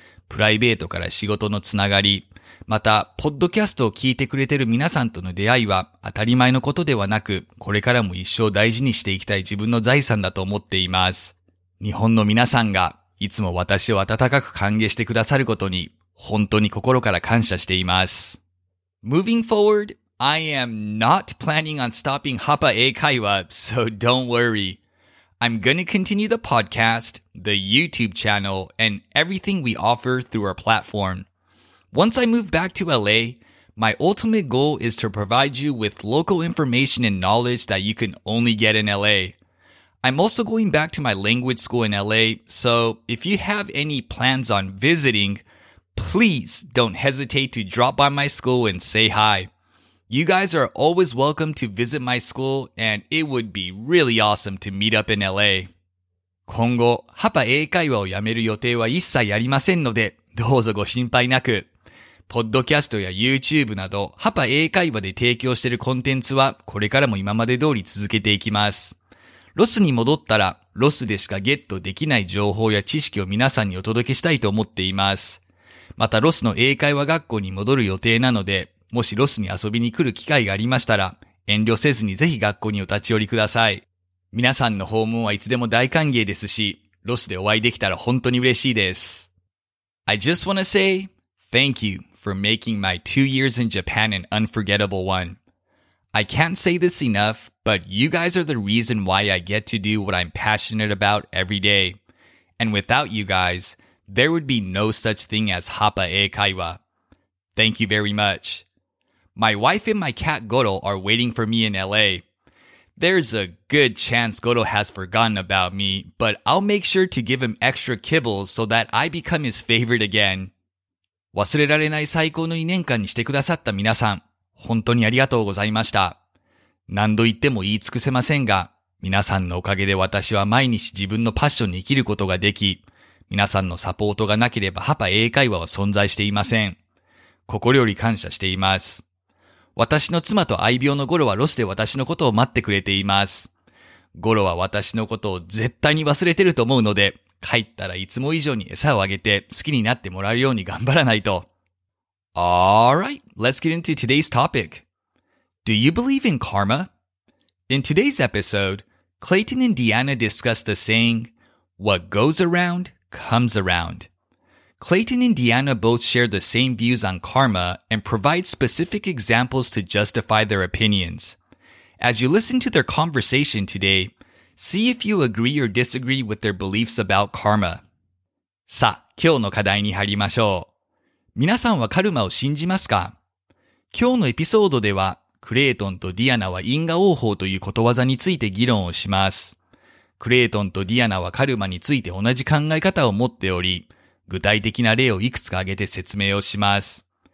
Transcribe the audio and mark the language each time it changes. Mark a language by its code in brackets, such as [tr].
[ja] プライベートから仕事のつながり、また、ポッドキャストを聞いてくれてる皆さんとの出会いは当たり前のことではなく、これからも一生大事にしていきたい自分の財産だと思っています。日本の皆さんが、いつも私を温かく歓迎してくださることに、本当に心から感謝しています。 [en] Moving forward, I am not planning on stopping Hapae Kaiwa, so don't worry. I'm gonna continue the podcast, the YouTube channel, and everything we offer through our platform. Once I move back to LA, my ultimate goal is to provide you with local information and knowledge that you can only get in LA. I'm also going back to my language school in LA, so if you have any plans on visiting, please don't hesitate to drop by my school and say hi. You guys are always welcome to visit my school, and it would be really awesome to meet up in LA. [ja] 今後、ハパ英会話をやめる予定は一切ありませんので、どうぞご心配なく。ポッドキャストや YouTube など、ハパ英会話で提供しているコンテンツは、これからも今まで通り続けていきます。ロスに戻ったら、ロスでしかゲットできない情報や知識を皆さんにお届けしたいと思っています。またロスの英会話学校に戻る予定なので、もしロスに遊びに来る機会がありましたら、遠慮せずにぜひ学校にお立ち寄りください。皆さんの訪問はいつでも大歓迎ですし、ロスでお会いできたら本当に嬉しいです。 [en] I just wanna say thank you for making my 2 years in Japan an unforgettable one. I can't say this enough, but you guys are the reason why I get to do what I'm passionate about every day. And without you guys, there would be no such thing as Hapa Eikaiwa. Thank you very much. My wife and my cat Goro are waiting for me in LA. There's a good chance Goro has forgotten about me, but I'll make sure to give him extra kibbles so that I become his favorite again. [ja] 忘れられない最高の2年間にしてくださった皆さん、本当にありがとうございました。何度言っても言い尽くせませんが、皆さんのおかげで私は毎日自分のパッションに生きることができ、皆さんのサポートがなければハパ英会話は存在していません。心より感謝しています。私の妻と愛病のゴロはロスで私のことを待ってくれています。ゴロは私のことを絶対に忘れてると思うので、帰ったらいつも以上に餌をあげて好きになってもらえるように頑張らないと。 [en] Alright, let's get into today's topic. Do you believe in karma? In today's episode, Clayton and Deanna discuss the saying, What goes around, comes around. Clayton and Deanna both share the same views on karma and provide specific examples to justify their opinions. As you listen to their conversation today, see if you agree or disagree with their beliefs about karma. [ja] さあ、今日の課題に入りましょう。皆さんはカルマを信じますか？今日のエピソードでは、クレイトンとディアナは因果応報ということわざについて議論をします。クレイトンとディアナはカルマについて同じ考え方を持っており、具体的な例をいくつか挙げて説明をします。